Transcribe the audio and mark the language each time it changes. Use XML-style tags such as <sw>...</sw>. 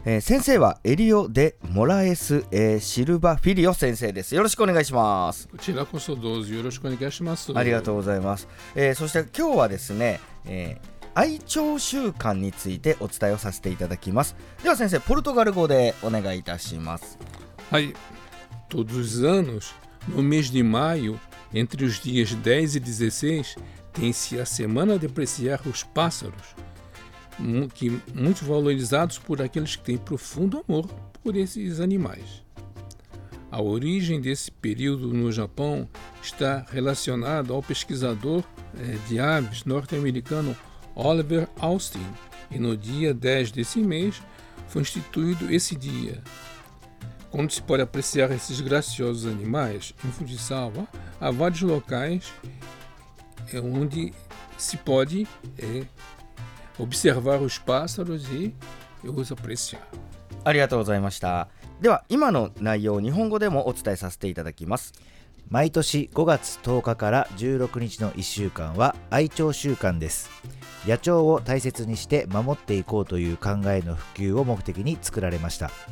<ja>先生はエリオ・デ・モラエス、シルバ・フィリオ先生です。よろしくお願いします。こちらこそどうぞよろしくお願いします。ありがとうございます。そして今日はですね、愛鳥習慣についてお伝えをさせていただきます。では先生、ポルトガル語でお願いいたします。はい。</ja> <pt>Todos os anos, no mês de maio, entre os dias 10 e 16, tem-se a semana de apreciar os pássaros, que, muito valorizados por aqueles que têm profundo amor por esses animais. A origem desse período no Japão está relacionada ao pesquisador de aves norte-americano Oliver Austin, e no dia 10 desse mês foi instituído esse dia, onde se pode apreciar esses graciosos animais. Em Fujisawa, há vários locais onde se pode observar os pássaros e os apreciar.</pt> <ja>ありがとうございました。では、今の内容を日本語でもお伝えさせていただきます。毎年5月10日から16日の1週間は愛鳥週間です。野鳥を大切にして守っていこうという考えの普及を目的に作られました。</ja>